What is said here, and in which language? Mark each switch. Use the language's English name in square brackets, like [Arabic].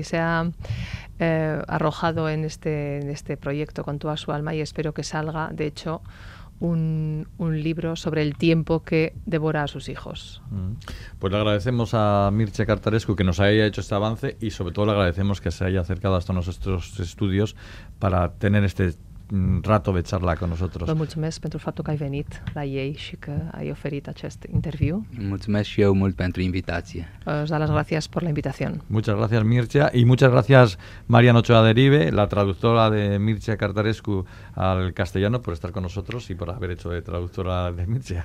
[Spanish] Se ha arrojado en este proyecto con toda su alma y espero que salga, de hecho, un libro sobre el tiempo que devora a sus hijos. Pues le agradecemos a Mircea Cărtărescu que nos haya hecho este avance y sobre todo le agradecemos que se haya acercado hasta nuestros estudios para tener este rato de charla con nosotros. [Romanian] Vă mulțumesc pentru faptul că ai venit la ei și că ai oferit acest interviu. Mulțumesc și eu mult pentru invitație. [Spanish] Os da las gracias por la invitación. Muchas gracias, Mircea, y muchas gracias Mariano Ochoa Derive, la traductora de Mircea Cărtărescu al castellano, por estar con nosotros y por haber hecho de traductora de Mircea.